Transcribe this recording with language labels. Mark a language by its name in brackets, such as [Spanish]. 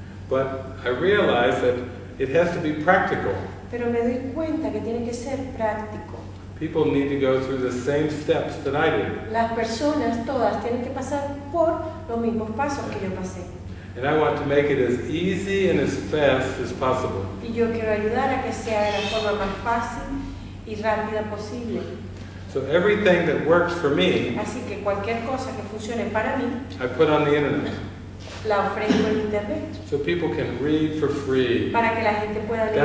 [English] But I realize that it has to be practical. [Spanish] Pero me doy cuenta que tiene que ser práctico. [English] People need to go through the same steps that I did. [Spanish] Las personas todas tienen que pasar por los mismos pasos que yo pasé. [English] And I want to make it as easy and as fast as possible. [Spanish] Y yo quiero ayudar a que sea de la forma más fácil y rápida posible. [English] So everything that works for me, [Spanish] así que cualquier cosa que funcione para mí, [English] I put on the internet. [Spanish] La ofrezco en internet. [English] So people can read for free. [Spanish] Para que la gente pueda leer,